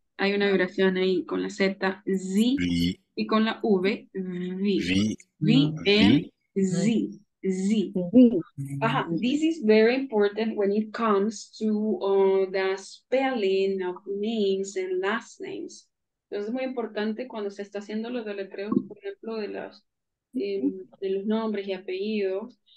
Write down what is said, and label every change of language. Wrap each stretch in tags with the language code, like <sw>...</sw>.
<es>Hay una vibración ahí con la Z, Z, y con la V, V, V, V, N, Z, Z. Ajá.</es> <en>This is very important when it comes to the spelling of names and last names.</en> <es>Entonces es muy importante cuando se está haciendo los deletreos, por ejemplo, de los nombres y apellidos.</es>